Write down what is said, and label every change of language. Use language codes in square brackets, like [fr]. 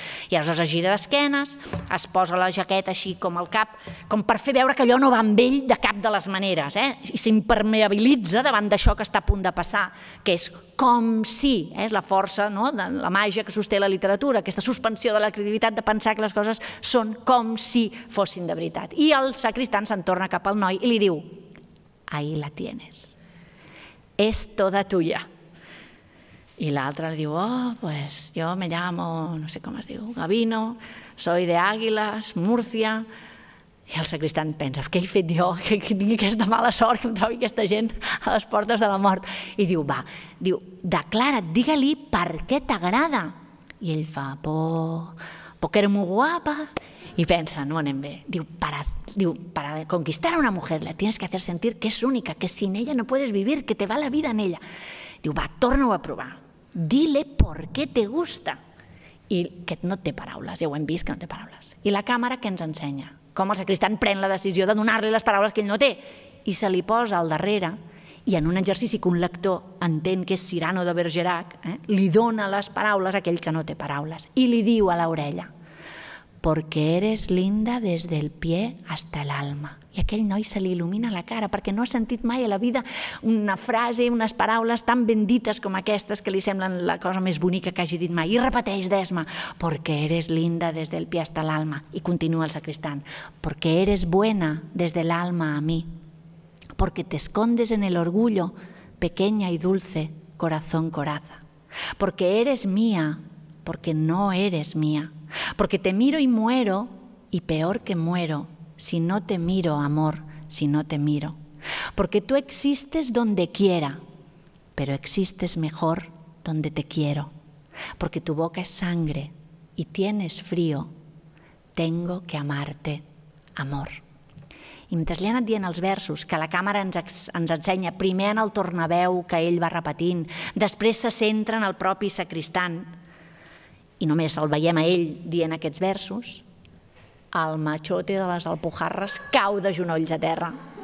[ca] I aleshores es gira d'esquenes, es posa la jaqueta així com al cap, com per fer veure que allò no va amb ell de cap de les maneres, i s'impermeabilitza davant d'això que està a punt de passar, que és com si, és la força, no?, de la màgia que sosté la literatura, aquesta suspensió de la credibilitat de pensar que les coses són com si fossin de veritat. I el sacristán se'n torna cap al noi i li diu: [es] ahí la tienes, es toda tuya. [ca] I l'altre li diu: oh, [es] pues yo me llamo, [ca] no sé com es diu, Gavino, [es] soy de Águilas, Murcia. [ca] I el sacristán pensa: què he fet jo, que tingui aquesta mala sort, que em trobi aquesta gent a les portes de la mort. I diu: va, diu, declara't, digue-li per què t'agrada. I ell fa: [es] porque eres muy guapa. [ca] I pensa: no anem bé. [es] Diu: para conquistar a una mujer la tienes que hacer sentir que es única, que sin ella no puedes vivir, que te va la vida en ella. [ca] Diu: va, torna-ho a provar. [es] Dile por qué te gusta. [ca] I que no té paraules, ja ho hem vist que no té paraules. I la càmera què ens ensenya? Com el sacristán pren la decisió de donar-li les paraules que ell no té. I se li posa al darrere i en un exercici que un lector entén que és Cyrano de Bergerac, li dona les paraules a aquell que no té paraules i li diu a l'orella: [es] porque eres linda desde el pie hasta el alma. [ca] I aquell noi se li il·lumina la cara perquè no ha sentit mai a la vida una frase, unes paraules tan ben dites com aquestes que li semblen la cosa més bonica que hagi dit mai. I repeteix d'esma: [es] porque eres linda desde el pie hasta el alma. [ca] I continua el sacristán: [es] porque eres buena desde el alma a mí. Porque te escondes en el orgullo, pequeña y dulce, corazón coraza. Porque eres mía, porque no eres mía. Porque te miro y muero, y peor que muero, si no te miro, amor, si no te miro. Porque tú existes donde quiera, pero existes mejor donde te quiero. Porque tu boca es sangre y tienes frío, tengo que amarte, amor. [ca] I mentre li ha anat dient els versos, que la càmera ens ensenya primer en el tornaveu que ell va repetint, després se centra en el propi sacristán, i només el veiem a ell dient aquests versos, el machote de les Alpujarras cau de genolls a terra.